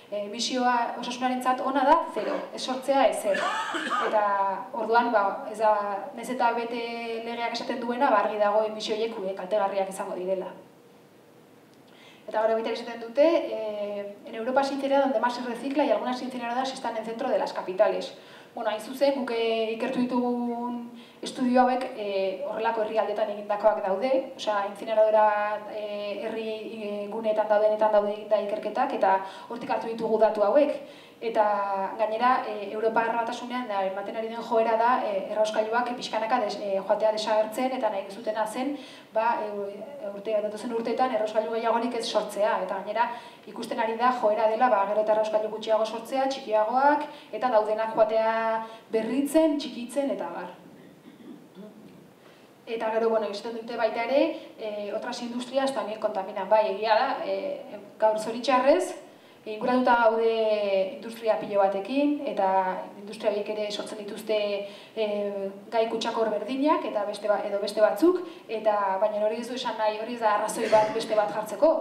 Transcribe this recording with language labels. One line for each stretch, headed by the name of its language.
Basque: misioa osasunarentzat ona da, zero, ez sortzea ezer. Eta orduan, ba, ez da, nez eta bete legeak esaten duena, ba, argi dago misio horiek kaltegarriak izango direla. Eta gero egiten esaten dute,
Spanish: en Europa se incinera donde más se recicla y algunas incineradas están en centro de las capitales.
Basque: Bueno, hain zuzen, guk ikertu ditugun estudio hauek horrelako herrialdetan egindakoak daude, osea, incineradora herri guneetan daudenetan daude eginda ikerketak, eta hortik hartu ditugu datu hauek. Eta gainera, Europa Batasunean da, ematen ari den joera da, errauskailuak pixkanaka joatea desagertzen, eta nahi zutena zen, ba, datozen urteetan errauskailu gehiagorik ez sortzea. Eta gainera, ikusten ari da, joera dela, ba, gero eta errauskailu gutxiago sortzea, txikiagoak, eta daudenak joatea berritzen, txikitzen, eta bar. Eta gero, bueno, egiten dute baita ere,
Spanish: otras industrias también
Basque: kontaminan. Bai, egia da, gaur zoritxarrez, inguratuta gaude industria pilo batekin, eta industria horiek ere sortzen dituzte gai kutsakor berdinak eta beste ba, edo beste batzuk, eta baina hori ez du esan nahi, hori ez da arrazoi bat beste bat jartzeko.